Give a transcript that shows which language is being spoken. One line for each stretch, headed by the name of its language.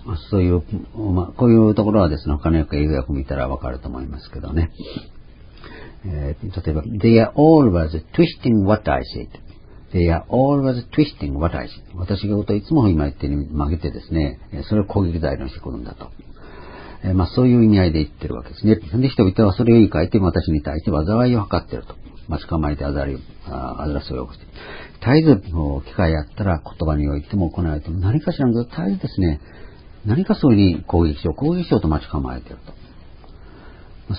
Japanese: そういう、まあ、こういうところはですね、他の訳、英訳見たらわかると思いますけどね。
English: 例えば、They are always twisting what I said. They are always twisting what I said.
Japanese: 私が言うといつも今言ってに曲げてですね、それを攻撃材料にしてくるんだと。まあ、そういう意味合いで言ってるわけですね。で、人々はそれを言い換えて、私に対して災いを図っていると。まあ、捕まえてあざらせを起こして。絶えず、機会あったら言葉においても行われても、何かしらの絶えずですね、何かそれに攻撃しようと待ち構えていると。